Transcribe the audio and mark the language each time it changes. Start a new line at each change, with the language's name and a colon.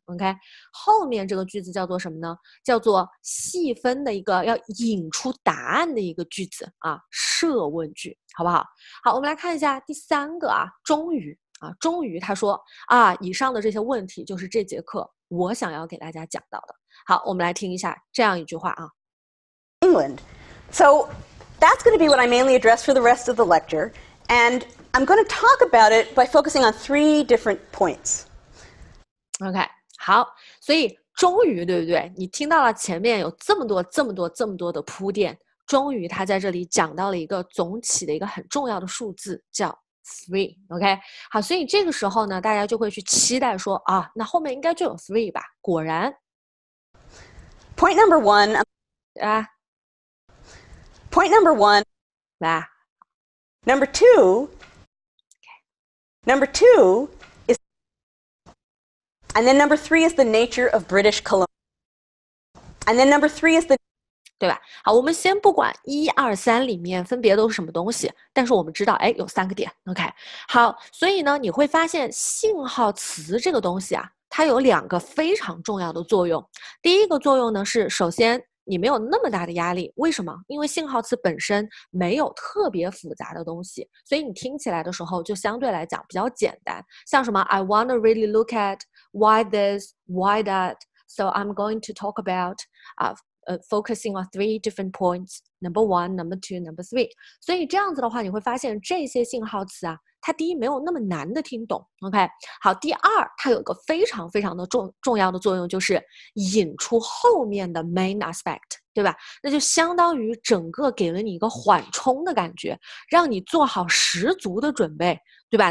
Chinese: OK， 后面这个句子叫做什么呢？叫做细分的一个要引出答案的一个句子啊，设问句，好不好？好，我们来看一下第三个啊，终于啊，终于他说啊，以上的这些问题就是这节课我想要给大家讲到的。好，我们来听一下这样一句话啊。
English: England. So that's going to be what I mainly address for the rest of the lecture, and I'm going to talk about it by focusing on three different points.
Chinese: OK, 好，所以终于，对不对？你听到了前面有这么多、这么多、这么多的铺垫，终于他在这里讲到了一个总起的一个很重要的数字，叫three。 OK， 好，所以这个时候呢，大家就会去期待说啊，那后面应该就有 three 吧。果然
English: ，point number one 啊，point number one 来，number two，number two is，and then number three is the nature of British colonial，and then number three is the。
Chinese: 对吧？好，我们先不管一二三里面分别都是什么东西，但是我们知道，哎，有三个点。 OK， 好，所以呢，你会发现信号词这个东西啊，它有两个非常重要的作用。第一个作用呢是，首先你没有那么大的压力，为什么？因为信号词本身没有特别复杂的东西，所以你听起来的时候就相对来讲比较简单。像什么 ，
English: I wanna really look at why this, why that, so I'm going to talk about focusing on three different points, number one, number two, number three.
Chinese: 所以这样子的话，你会发现这些信号词啊，它第一没有那么难的听懂。 OK， 好，第二它有一个非常非常的重要的作用，就是引出后面的 main aspect， 对吧？那就相当于整个给了你一个缓冲的感觉，让你做好十足的准备，对吧？